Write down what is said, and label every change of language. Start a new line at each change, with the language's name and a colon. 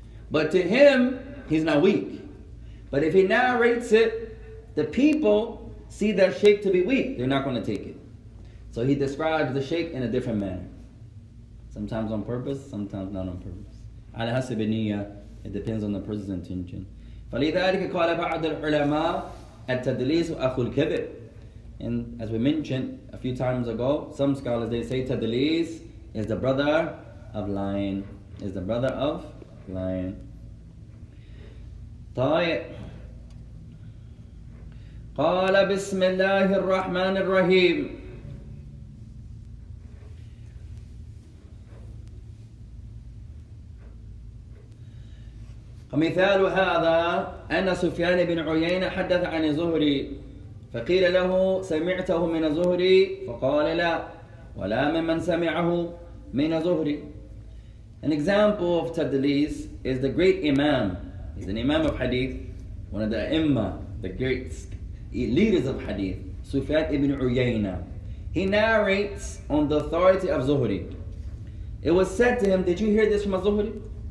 English: But to him, he's not weak. But if he narrates it, the people see their sheikh to be weak. They're not going to take it. So he describes the sheikh in a different manner. Sometimes on purpose, sometimes not on purpose. It depends on the person's intention.
Arabic: فلذلك قال بعض العلماء التدليس أخو الكذب.
English: And as we mentioned a few times ago, some scholars they say تدليس is the brother of lying. Is the brother of lying. طيب.
Arabic: قال بسم الله الرحمن الرحيم. ومثال هذا أن سفيان بن عيينة حدث عن الزهري فقيل له سمعته من الزهري فقال لا ولا ممن سمعه من الزهري.
English: An example of Tadlis is the great imam. He's an imam of hadith, one of the imma, the great leaders of hadith, Sufyan ibn Uyayna. He narrates on the authority of Zuhri. It was said to him, did you hear this from a Zuhri?